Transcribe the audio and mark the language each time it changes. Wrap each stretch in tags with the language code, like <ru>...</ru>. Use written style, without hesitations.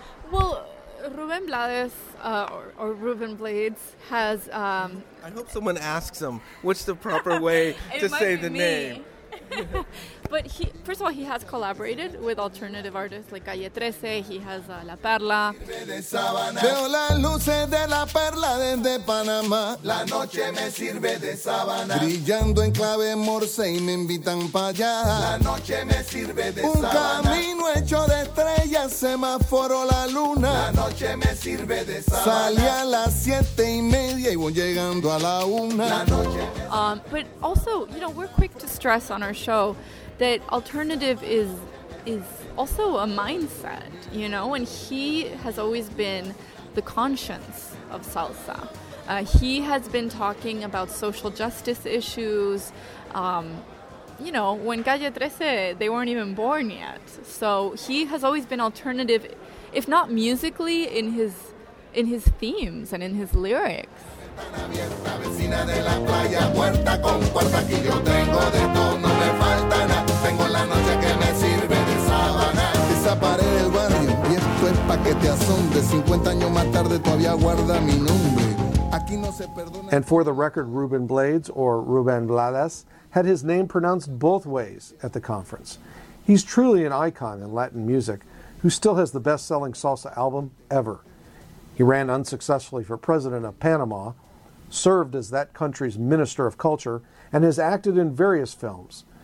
<en>Well, Ruben Blades or Ruben Blades has... I hope someone asks him what's the proper way to say the name. But first of all, he has collaborated with alternative artists like Calle 13. He has La Perla.</en> <es>Veo las luces de La Perla desde Panamá. La noche me sirve de sabana. Brillando en clave morse y me invitan pa' allá. La noche me sirve de sabana. Un camino hecho de estrellas, semáforo la luna. La noche me sirve de sabana. Salí a las 7:30 y voy llegando a la una. La noche me sirve.</es> <en>But also, you know, we're quick to stress on our show that alternative is also a mindset, you know, and he has always been the conscience of salsa. He has been talking about social justice issues, you know, when Calle 13, they weren't even born yet. So he has always been alternative, if not musically, in his themes and in his lyrics.</en> <es>Tengo la noche que me sirve de sábana. Esa pared del barrio, y esto es pa' que te asombre. de 50 años más tarde todavía guarda mi nombre. Aquí no se perdona.</es> <en>And for the record, Ruben Blades, or Ruben Blades, had his name pronounced both ways at the conference. He's truly an icon in Latin music, who still has the best-selling salsa album ever. He ran unsuccessfully for president of Panama, served as that country's minister of culture, and has acted in various films.</en>